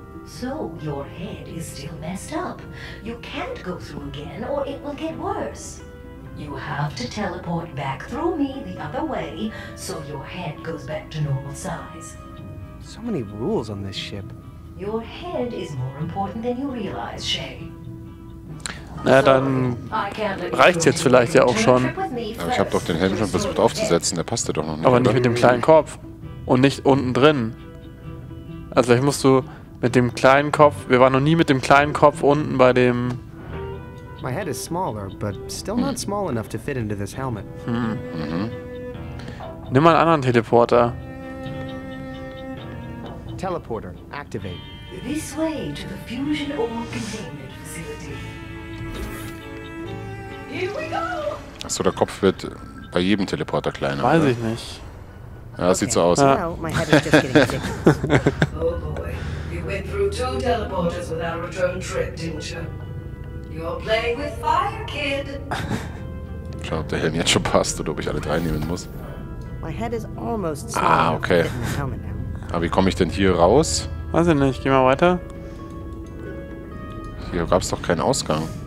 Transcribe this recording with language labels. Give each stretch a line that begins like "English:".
English: So, your head is still messed up. You can't go through again, or it will get worse. You have to teleport back through me the other way, so your head goes back to normal size. So many rules on this ship. Your head is more important than you realize, Shay.
German: Na ja, dann reicht's jetzt vielleicht ja auch schon. Ja, ich habe doch den Helm schon versucht aufzusetzen, der passt ja doch noch nicht. Aber nicht mit dem kleinen Kopf und nicht unten drin. Also vielleicht musst du mit dem kleinen Kopf, wir waren noch nie mit dem kleinen Kopf unten bei dem...
English: My head is smaller, but still not small enough to fit into this helmet.
German: Nimm mal einen anderen Teleporter.
English: Teleporter, activate. This way to the fusion or containment facility. Here we go!
German: Achso, der Kopf wird bei jedem Teleporter kleiner. Weiß oder? Ich nicht. Ja, okay. Sieht so aus. Ja.
English: Now, my head is oh boy, you went through two teleporters with our return trip, didn't you? You're playing with fire, kid.
German: Schau, ob der Helm jetzt schon passt oder ob ich alle drei nehmen muss.
English: My head is almost ah, okay.
German: Aber wie komme ich denn hier raus? Weiß ich nicht, geh mal weiter. Hier gab es doch keinen Ausgang.